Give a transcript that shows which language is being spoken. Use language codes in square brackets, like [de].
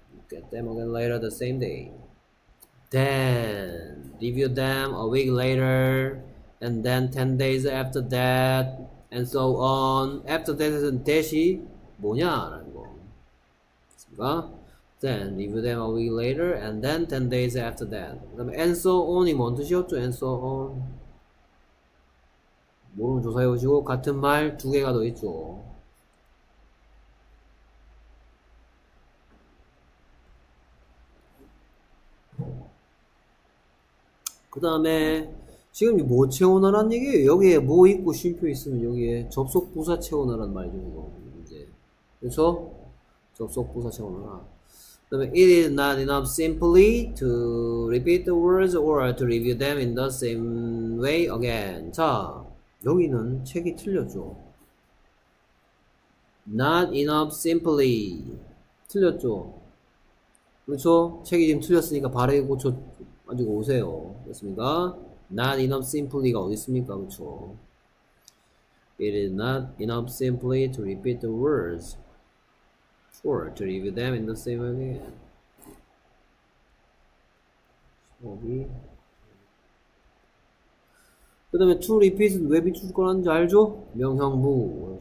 [en] Look at them again later, the same day. Then, review them a week later, and then 10 days after that, and so on. After that [ko] 은 that이 뭐냐? 라는 거. 그니까? [en] Then review them a week later, and then 10 days after that. [ko] 그다음에 and so on이 뭔 뜻이었죠? [en] And so on. [ko] 모르면 조사해 보시고 같은 말 두 개가 더 있죠. 그다음에 지금 뭐 채워나란 얘기예요? 여기에 뭐 있고 쉼표 있으면 여기에 접속 부사 채워나란 말이죠. 이제 그래서 접속 부사 채워나라. [en] It is not enough simply to repeat the words or to review them in the same way again. [ko] 자, 여기는 책이 틀렸죠. [en] Not enough simply. [ko] 틀렸죠. 그렇죠? 책이 지금 틀렸으니까 바르게 고쳐가지고 오세요. 그렇습니까? [en] Not enough simply [ko] 가 어디 있습니까? 그렇죠? [en] It is not enough simply to repeat the words. Or to review them in the same way again. [ko] 그 다음에 to repeat은 왜 비출 거라는지 알죠? 명형부.